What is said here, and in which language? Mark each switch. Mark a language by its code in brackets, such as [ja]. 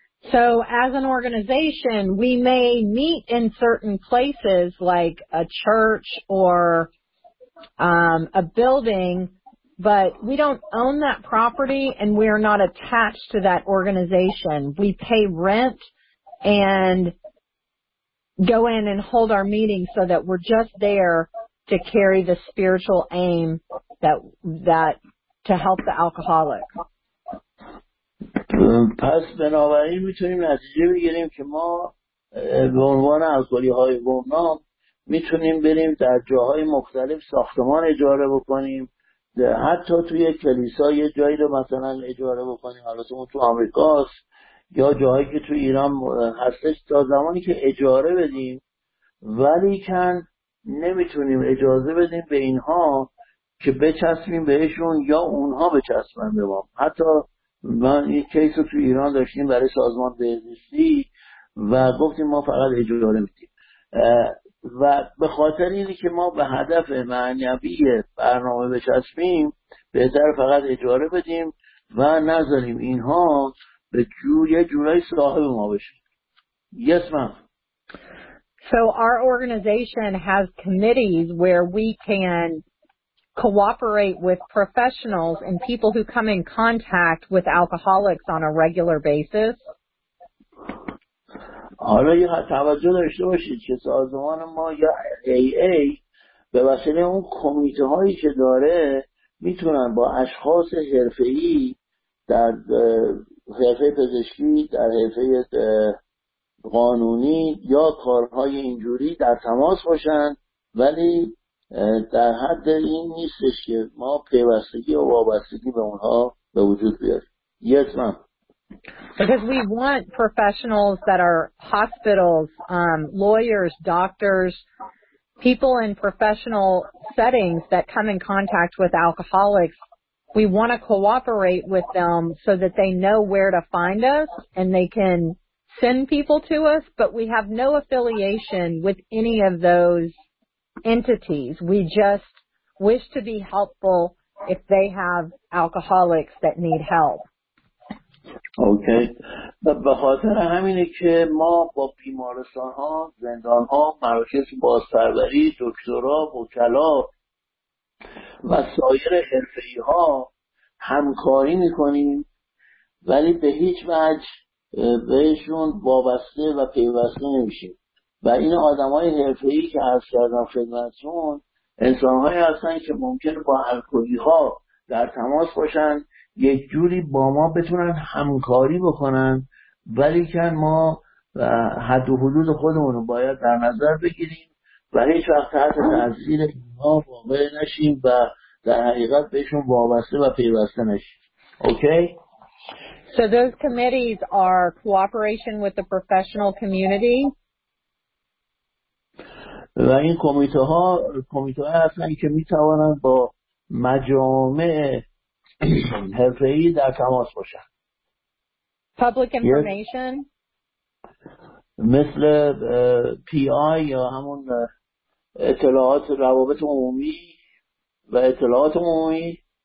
[en] So as an organization, we may meet in certain places like a church or a building, but we don't own that property and we are not attached to that organization. We pay rent and go in and hold our meetings so that we're just there to carry the spiritual aim that to help the alcoholic. [fa] پس بنابراین میتونیم نتیجه بگیریم که ما به عنوان الکلی های گمنام میتونیم بریم در جاهای مختلف ساختمان اجاره بکنیم، حتی توی کلیسا یه جایی رو مثلا اجاره بکنیم، حالا تو آمریکاست یا جاهایی که تو ایران هستش، تا زمانی که اجاره بدیم، ولیکن نمیتونیم اجازه بدیم به اینها که بچسبیم بهشون یا اونها بچسبن به ما. حتی من یک کیس رو تو ایران داشتیم برای سازمان بهزیستی و گفتیم ما فقط اجاره میدیم، و به خاطر اینی که ما به هدف معنوی برنامه بچسبیم بهتر فقط اجاره بدیم و نذاریم اینها به جورای صاحب ما بشن. [en] Yes, ma'am. So our organization has committees where we can cooperate with professionals and people who come in contact with alcoholics on a regular basis. [fa] حالا یه توجه داشته باشید که سازمان ما یا AA به وسیله اون کمیته هایی که داره میتونن با اشخاص حرفه‌ای در حرفه پزشکی، در حرفه قانونی یا کارهای اینجوری در تماس باشن، ولی در حد این نیستش که ما پیوستگی و وابستگی به اونها به وجود بیاریم. [en] Yes, ma'am. Because we want professionals that are hospitals, lawyers, doctors, people in professional settings that come in contact with alcoholics, we want to cooperate with them so that they know where to find us and they can send people to us, but we have no affiliation with any of those entities. We just wish to be helpful if they have alcoholics that need help. Okay. [fa] به خاطر همینه که ما با بیمارستان ها، زندان ها، مراکز بازسروری، دکترا، وکلا و سایر حرفه‌ای ها همکاری میکنیم، ولی به هیچ وجه بهشون وابسته و پیوسته نمیشیم. و این آدم های حرفه‌ای که عرض کردم خدمتتون، انسان هایی هستن که ممکن با الکلی ها در تماس باشن، یک جوری با ما بتونن همکاری بکنن، ولی که ما حد و حدود خودمون رو باید در نظر بگیریم و هیچ وقت تحت تأثیر اینها واقع نشیم و در حقیقت بهشون وابسته و پیوسته نشیم. [en] Okay? So those committees are cooperation with the professional community. [fa] و این کمیته‌ها کمیته‌هایی هستند که می‌توانند با مجامع حرفه‌ای در تماس باشند. [en] Public information. [fa] مثل PI یا همون اطلاعات روابط عمومی و اطلاعات عمومی.